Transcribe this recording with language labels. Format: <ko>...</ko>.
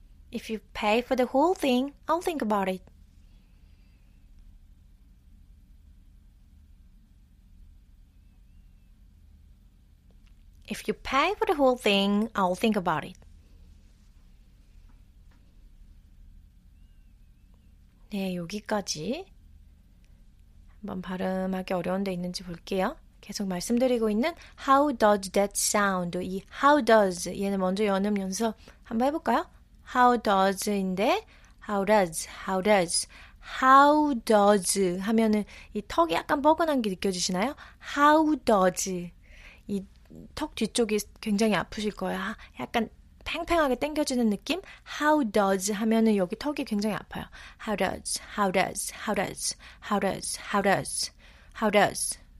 <en>If you pay for the whole thing, I'll think about it. If you pay for the whole thing, I'll think about it.</en> <ko>네, 여기까지 한번 발음하기 어려운 데 있는지 볼게요. 계속 말씀드리고 있는</ko> <en>How does that sound?</en> <ko>이 How does 얘는 먼저 연음 연습 한번 해볼까요? How does인데 How does, How does, How does 하면은 이 턱이 약간 뻐근한 게 느껴지시나요? How does 이 턱 뒤쪽이 굉장히 아프실 거예요. 약간 팽팽하게 당겨지는 느낌. How does 하면은 여기 턱이 굉장히 아파요.</ko> <en>How does, how does, how does, how does, how does, how does.</en>